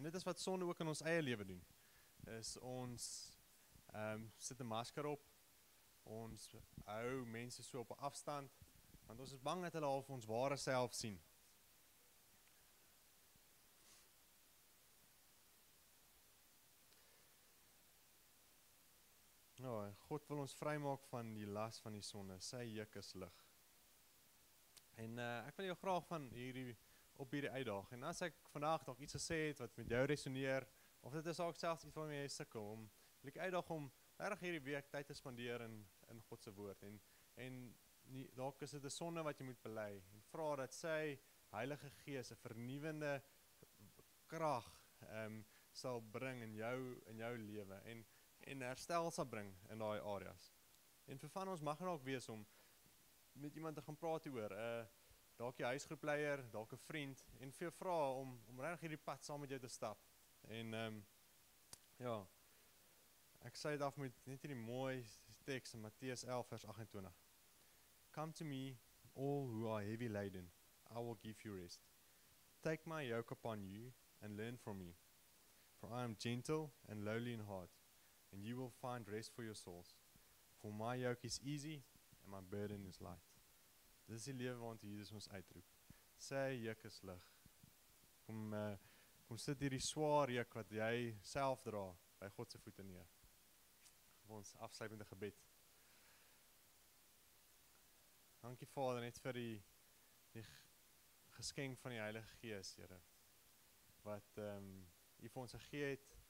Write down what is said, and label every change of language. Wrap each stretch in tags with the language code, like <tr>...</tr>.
<af>En dit is wat sonde ook in ons eie lewe doen, is ons sit 'n masker op, ons hou mense so op 'n afstand, want ons is bang dat hulle al ons ware self sien. God wil ons vrymaak van die las van die sonde, sy juk is lig. En ek wil jou graag van hierdie op hierdie uitdaag. En as ek vandag dalk iets gesê het wat met jou resoneer, of dit is ook selfs iets waarmee jy sukkel, wil ek uitdaag om regtig hierdie week tyd te spandeer in God se woord. En dalk is dit 'n sonde wat jy moet bely en vra dat sy Heilige Gees 'n vernuwende krag sal bring in jou lewe en herstel sal bring in daai areas. En vir van ons mag dit ook wees om met iemand te gaan praat oor, dalk jy huisgroepleier, dalk 'n vriend, en vir jou vra om regtig hierdie pad saam met jou te stap. En ek sê dit af met net hierdie mooi tekst in Matteus 11 vers 28.</af> <en>Come to me, all who are heavy laden, I will give you rest. Take my yoke upon you and learn from me, for I am gentle and lowly in heart, and you will find rest for your souls. For my yoke is easy, and my burden is light.</en> <af>Dit is die lewe waarna Jesus ons uitroep. Sy juk is lig. Kom sit hierdie swaar juk wat jy self dra, by God se voete neer. Kom ons afsluit met 'n gebed. Dankie Vader, net vir die geskenk van die Heilige Gees, Here, wat jy vir ons gegee het.</af>